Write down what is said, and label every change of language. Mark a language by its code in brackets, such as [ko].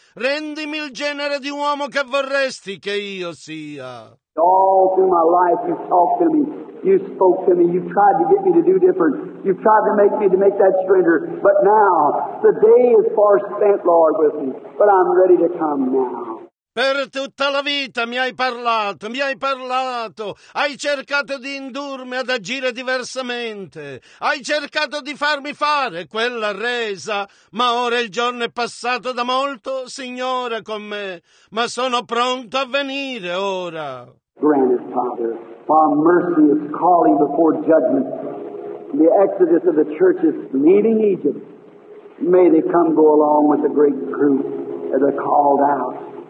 [it] Rendimi il genere di uomo che vorresti che io sia. [en] All through my life you talked to me, you spoke to me, you tried to get me to do different, you tried to make me to make that stranger, but now, the day is far spent, Lord, with me, but I'm ready to come now. [it] Per tutta la vita mi hai parlato, hai cercato di indurmi ad agire diversamente, hai cercato di farmi fare quella resa, ma ora il giorno è passato da molto, Signore, con me, ma sono pronto a venire ora. [en] Granted, Father, while mercy is calling before judgment, the exodus of the church is leaving Egypt, may they come go along with the great group that are called out.